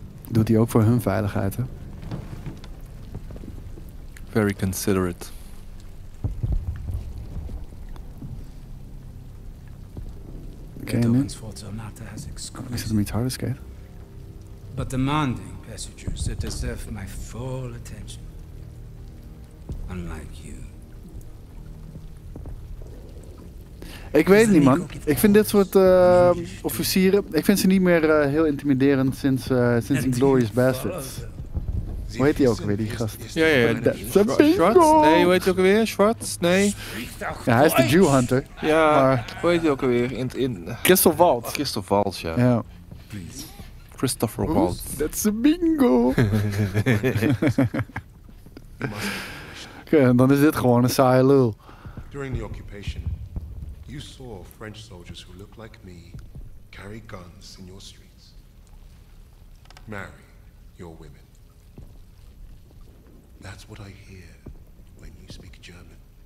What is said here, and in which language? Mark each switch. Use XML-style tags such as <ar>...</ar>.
<nl>Doet hij ook voor hun veiligheid, hè?</nl> <en>Very considerate.</en> <nl>Ken je hem? Is het hem iets harder, Skate?</nl> <en>But demanding passengers that deserve my full attention. Unlike you.</en> <nl>Ik weet het niet, man. Ik vind dit soort officieren, ik vind ze niet meer heel intimiderend sinds Inglourious Basterds. Hoe heet die ook weer, die gast? Ja, ja, ja. Nee, hoe heet die ook weer? Schwartz? Nee. Ja, hij is de Jew Hunter. Ja, hoe heet die ook weer? Christoph Waltz. Christoph Waltz, ja. Ja. Christopher Waltz.</nl> <en>That's a bingo.</en> <nl>Okay, en dan is dit gewoon een saaie lul.</nl> <en>During the occupation, you saw French soldiers who looked like me carry guns in your streets. Marry your women. That's what I hear when you speak German.</en>